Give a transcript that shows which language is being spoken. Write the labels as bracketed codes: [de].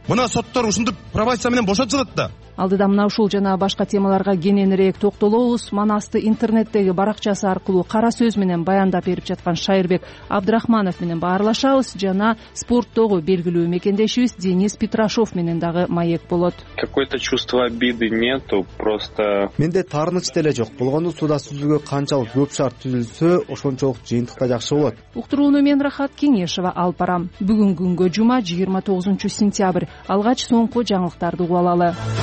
[ky] Мына соттор ушинтип пробация менен бошотулат да. Алдыда мына ушул жана башка темаларга кененирээк токтолобуз. Манасты интернеттеги баракчасы аркылуу кара сөз менен баяндап берип жаткан Шайырбек Абдрахманов менен баарлашабыз жана спорттогу белгилүү мекендешибиз Денис Петрашов менен дагы маек болот. [ru] Какое-то чувство обиды нету, просто [ky] менде тарыныч деле жок. Болгону сууда сүзүүгө канчалык көп шарт түзүлсө, ошончолук жыйынтыкта жакшы болот. Уктурууну мен Рахат Кеңешова алып барам. Бүгүн күнгө жума, 29 сентябрь. Алгач соңку жаңылыктарды угалалы.